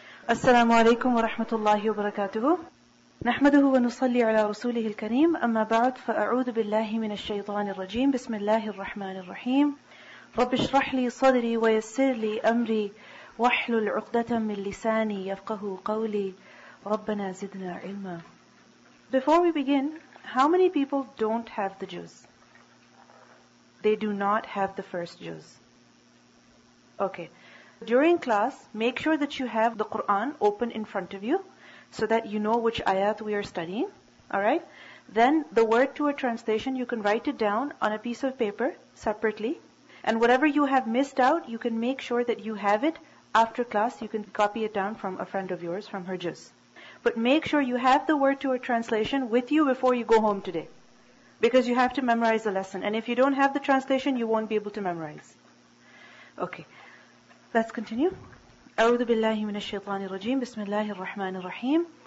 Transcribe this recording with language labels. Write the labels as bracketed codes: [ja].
[ar] السلام عليكم ورحمة الله وبركاته. نحمده ونصلي على رسوله الكريم، أما بعد، فأعوذ بالله من الشيطان الرجيم. بسم الله الرحمن الرحيم. رب اشرح لي صدري ويسر لي أمري واحلل عقدة من لساني يفقه قولي ربنا زدنا علما. [en] Before we begin, how many people don't have the juz? They do not have the first juz. Okay. During class, make sure that you have the Quran open in front of you so that you know which ayat we are studying. Alright? Then the word to a translation, you can write it down on a piece of paper separately. And whatever you have missed out, you can make sure that you have it after class. You can copy it down from a friend of yours, from her juz. But make sure you have the word to a translation with you before you go home today. Because you have to memorize the lesson. And if you don't have the translation, you won't be able to memorize. Okay. Let's continue. [ar] أعوذ بالله من الشيطان الرجيم بسم الله الرحمن الرحيم.